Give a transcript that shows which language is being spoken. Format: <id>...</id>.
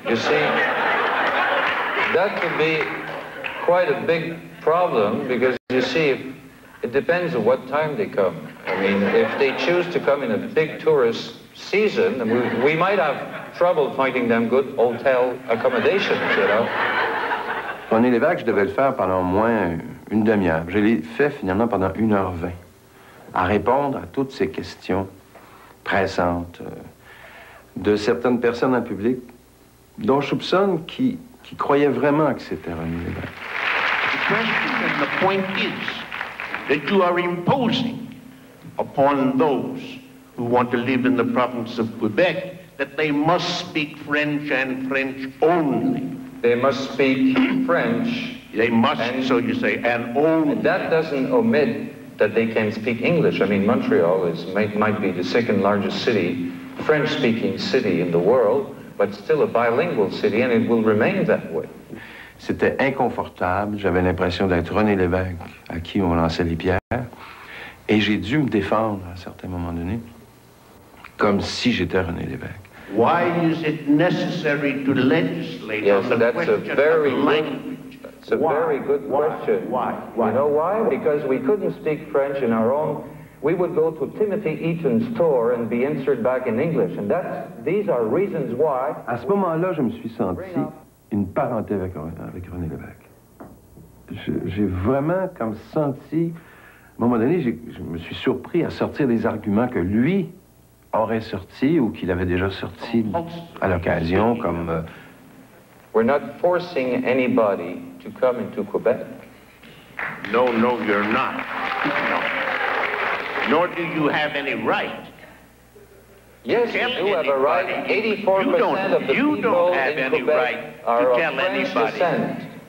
<en>You see, that could be quite a big problem because, you see, it depends on what time they come. I mean, if they choose to come in a big tourist season, we might have trouble finding them good hotel accommodations, you know.</en> <fr>René Lévesque, je devais le faire pendant au moins une demi-heure. Je l'ai fait finalement pendant 1h20, à répondre à toutes ces questions pressantes de certaines personnes en public, dont je soupçonne qui croyaient vraiment que c'était René Lévesque.</fr> <en>The question and the point is that you are imposing upon those who want to live in the province of Quebec that they must speak French and French only. They must speak French. They must, and, so you say, and only. And that doesn't omit that they can speak English. I mean, Montreal might be the second largest city, French-speaking city in the world, but still a bilingual city, and it will remain that way.</en> <fr>C'était inconfortable. J'avais l'impression d'être René Lévesque, à qui on lançait les pierres. Et j'ai dû me défendre à un certain moment donné, comme si j'étais René Lévesque.</fr> <en>Why is it necessary to legislate on the question of language? That's a very good question. Why? You know why? Because we couldn't speak French in our own. We would go to Timothy Eaton's store and be answered back in English. And these are reasons why.</en> <fr>À ce moment-là, je me suis senti une parenté avec René Lévesque. J'ai vraiment comme senti. À un moment donné, je me suis surpris à sortir des arguments que lui aurait sorti ou qu'il avait déjà sorti à l'occasion, comme...</fr> <en>We're not forcing anybody to come into Quebec. No, you're not. No. Nor do you have any right. Yes, you do have a right. 84% of the people in Quebec are of French descent.</en>